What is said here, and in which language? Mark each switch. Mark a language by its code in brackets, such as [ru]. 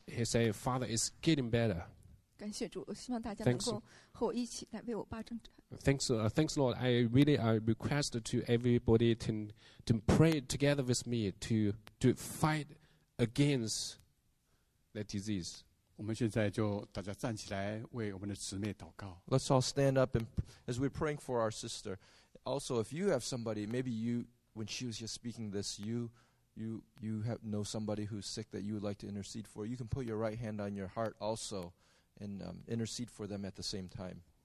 [en] He said, "Father is getting better." [zh] 感谢主，我希望大家能够和我一起来为我爸征战。 [en] Thanks, thanks, Lord. I really request to everybody to pray together with me to fight against the disease. [zh] 我们现在就大家站起来为我们的姊妹祷告。 [en] Let's all stand up and as we're praying for our sister. Also, if you have somebody, maybe you, when she was just speaking this, you have know somebody who's sick that you would like to intercede for. You can put your right hand on your heart also, and intercede for them at the same time.